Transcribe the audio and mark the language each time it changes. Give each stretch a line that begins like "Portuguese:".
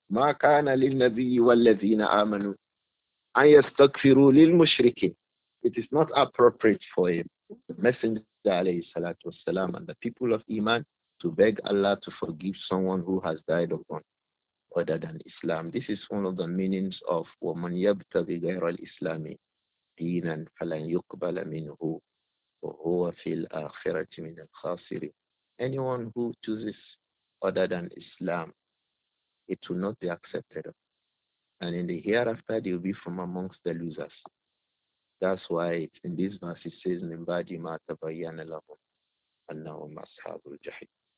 Arabic: مَا كَانَ لِلْنَبِيِّ وَالَّذِينَ آمَنُوا أَنْ يَسْتَغْفِرُوا لِلْمُشْرِكِينَ.
English: It is not appropriate for him, the Messenger alayhi salatu wasalam, and the people of Iman to beg Allah to forgive someone who has died upon other than Islam. This is one of the meanings of
Arabic: وَمَنْ يَبْتَغِ غَيْرَ الْإِسْلَامِ دِينًا فَلَنْ يُقْبَلَ مِنْهُ وَهُوَ فِي الْآخِرَةِ مِنَ الْخَاسِرِينَ.
English: Anyone who chooses other than Islam, it will not be accepted. And in the hereafter, they will be from amongst the losers. That's why it, in this verse it says,
Arabic: مِنْ بَعْدِ مَا تَبَيَّنَ لَهُمْ أَنَّهُمْ أَصْحَابُ الْجَحِيمِ.